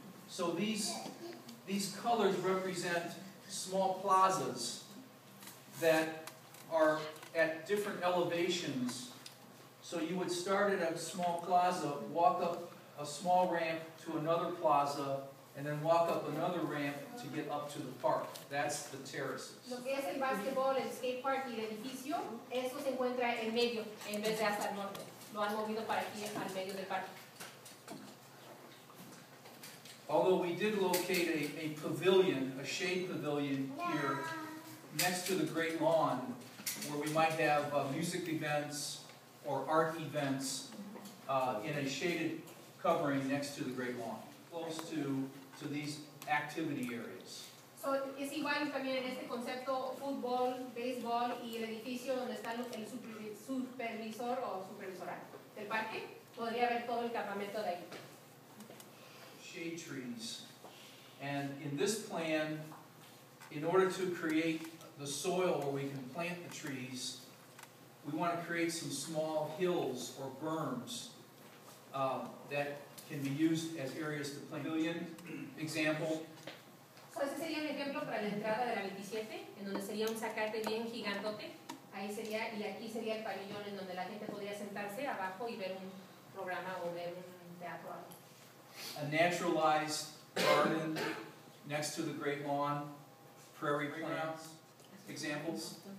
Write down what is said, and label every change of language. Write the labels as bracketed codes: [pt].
[en] So these colors represent small plazas that are at different elevations. So you would start at a small plaza, walk up a small ramp to another plaza, and then walk up another ramp to get up to the park. That's the terraces. [es] Lo que es el basketball, el skate park y el edificio, eso se encuentra en medio, en vez de hasta el norte. Lo han movido para aquí, al medio del parque. [en] Although we did locate a pavilion, a shade pavilion here, next to the great lawn, where we might have music events or art events in a shaded covering next to the great lawn, close to these activity areas. [es] So es igual también en este concepto, fútbol, béisbol y el edificio donde está el supervisor o supervisora del parque, podría ver todo el campamento de ahí. [en] Shade trees. And in this plan, in order to create the soil where we can plant the trees, we want to create some small hills or berms that can be used as areas to plant. Pavilion example. [es] So ese sería un ejemplo para la entrada de la 27, en donde sería un zacate bien gigantote. Ahí sería, y aquí sería el pabellón en donde la gente podría sentarse abajo y ver un programa o ver un teatro. [en] A naturalized garden next to the great lawn, prairie plants, examples.